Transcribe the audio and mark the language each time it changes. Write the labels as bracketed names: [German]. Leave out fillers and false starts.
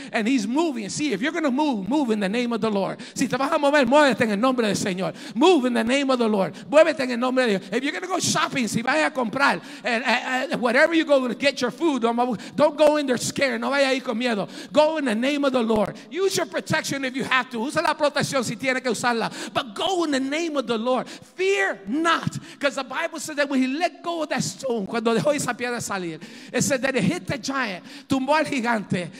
[English] And he's moving. See, if you're going to move, move in the name of the Lord. [Spanish] Si te vas a mover, muévete en el nombre del Señor. [English] Move in the name of the Lord. [Spanish] Muévete en el nombre de Dios. [English] If you're going to go shopping, [Spanish] si vaya a comprar, [English] whatever you go to get your food, don't go in there scared. [Spanish] No vaya ahí con miedo. [English] Go in the name of the Lord. Use your protection if you have to. [Spanish] Usa la protección si tiene que usarla. [English] But go in the name of the Lord. Fear not. Because the Bible says that when he let go of that stone, [Spanish] cuando dejó esa piedra salir, [English] it said that it hit the giant, [Spanish] tumbó al gigante.